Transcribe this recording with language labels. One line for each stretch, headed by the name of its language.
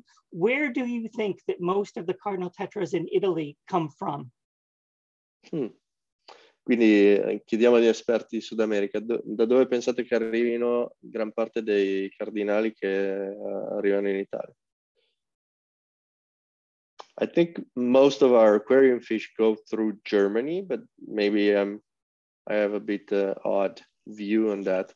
English: Where do you think that most of the cardinal tetras in Italy come from?
Italian: Quindi chiediamo agli esperti di Sud America, da dove pensate che arrivino gran parte dei cardinali che arrivano in Italia?
English: I think most of our aquarium fish go through Germany, but maybe I have a bit odd view on that.